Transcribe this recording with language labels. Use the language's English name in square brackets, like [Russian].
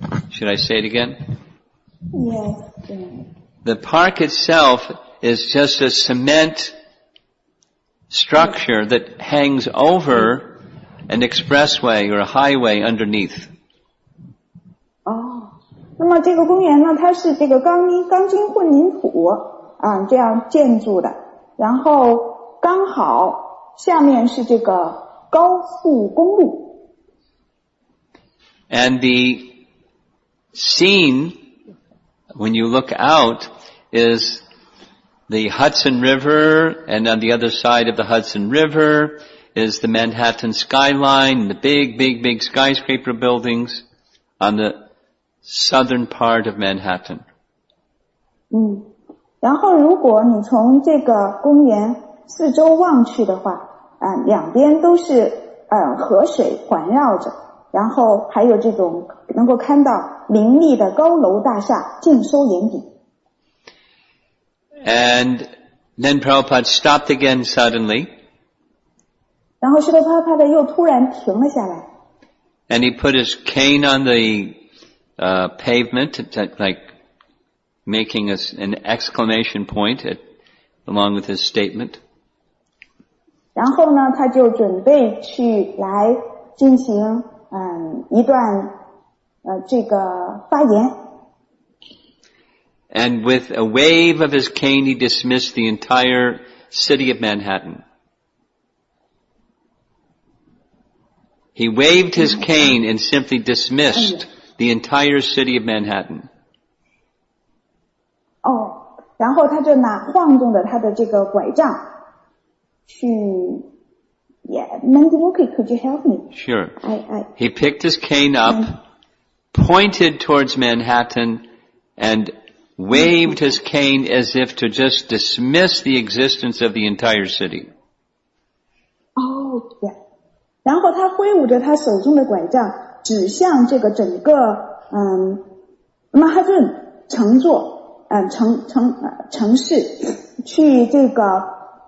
[English] Should I say it again? Yes. The park itself is just a cement structure that hangs over an expressway or a highway underneath. [Chinese] Oh, 那么这个公园呢，它是这个钢筋混凝土啊这样建筑的，然后刚好下面是这个高速公路。 [English] And the scene, when you look out, is the Hudson River, and on the other side of the Hudson River is the Manhattan skyline, the big, big, big skyscraper buildings on the southern part of Manhattan. [Chinese] 嗯，然后如果你从这个公园四周望去的话，两边都是河水环绕着。然后还有这种能够看到林立的高楼大厦尽收眼底。 [English] And then Prabhupada stopped again suddenly. [Chinese] 然后释迦牟尼又突然停了下来。 [English] And he put his cane on the pavement, like making an exclamation point along with his statement. [Chinese] 然后呢，他就准备去来进行一段这个发言。 [English] And with a wave of his cane, he dismissed the entire city of Manhattan. He waved his cane and simply dismissed the entire city of Manhattan. [Chinese] 哦，然后他就拿晃动着他的这个拐杖去。 [English] Yeah, Mandy Wookie, could you help me? Sure. I He picked his cane up, pointed towards Manhattan, and waved his cane as if to just dismiss the existence of the entire city. Oh, yeah. [Chinese] 然后他挥舞着他手中的拐杖，指向这个整个曼哈顿城座，城市，去这个。